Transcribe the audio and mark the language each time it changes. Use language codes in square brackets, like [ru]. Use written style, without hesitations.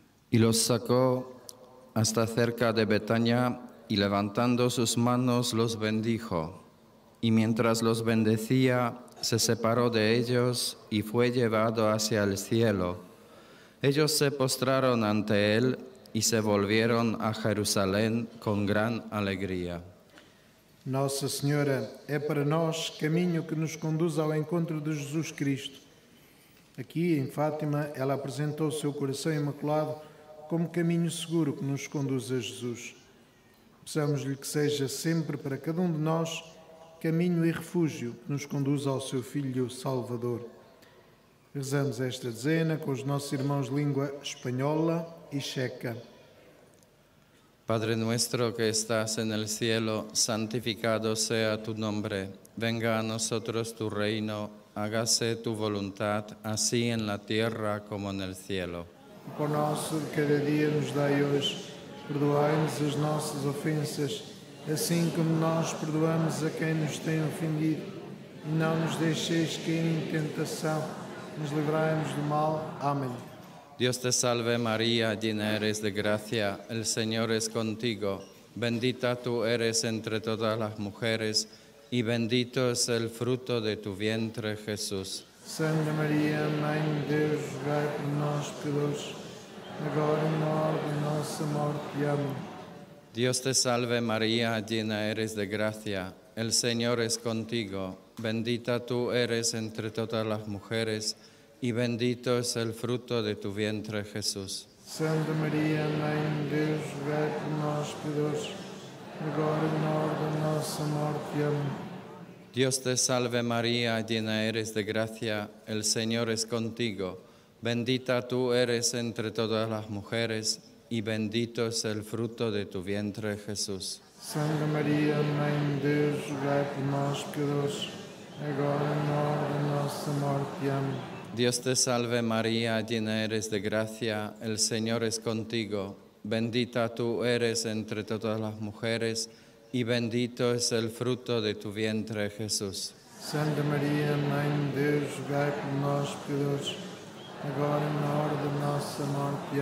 [es] Y los sacó hasta cerca de Betania y levantando sus manos los bendijo. Y mientras los bendecía, se separó de ellos y fue llevado hacia el cielo. Ellos se postraron ante él y se volvieron a Jerusalén con gran alegría. [pt] Nossa Senhora, é para nós caminho que nos conduz ao encontro de Jesus Cristo. Aqui, em Fátima, ela apresentou o seu coração imaculado como caminho seguro que nos conduz a Jesus. Peçamos-lhe que seja sempre para cada um de nós caminho e refúgio que nos conduz ao seu Filho Salvador. Rezamos esta dezena com os nossos irmãos de língua espanhola e checa. [es] Padre nuestro que estás en el cielo, santificado sea tu nombre. Venga a nosotros tu reino, hágase tu voluntad, así en la tierra como en el cielo. [pt] O pão nosso de cada dia nos dai hoje, perdoai-nos as nossas ofensas, assim como nós perdoamos a quem nos tem ofendido. não nos deixeis cair em tentação, mas livrai-nos do mal. Amém. [es] Dios te salve María, llena eres de gracia, el Señor es contigo. Bendita tú eres entre todas las mujeres, y bendito es el fruto de tu vientre, Jesús. [pt] Santa María, Mãe de Dios, rogai por nós pecadores, agora e na hora de nossa morte. Amém. [es] Dios te salve María, llena eres de gracia, el Señor es contigo. Bendita tú eres entre todas las mujeres, y bendito es el fruto de tu vientre, Jesús. [pt] Santa María, Mãe de Deus, rogai por nós, pecadores, agora e na hora da nossa morte. Amém. [es] Dios te salve, María, llena eres de gracia, el Señor es contigo. Bendita tú eres entre todas las mujeres, y bendito es el fruto de tu vientre, Jesús. [pt] Santa María, Mãe de Deus, rogai por nós, pecadores, agora e na hora da nossa morte. Amém. [es] Dios te salve María, llena eres de gracia, el Señor es contigo. Bendita tú eres entre todas las mujeres, y bendito es el fruto de tu vientre, Jesús. [pt] Santa María, Mãe de Dios, rogai por nós, pecadores, agora [es] en la hora de nuestra muerte.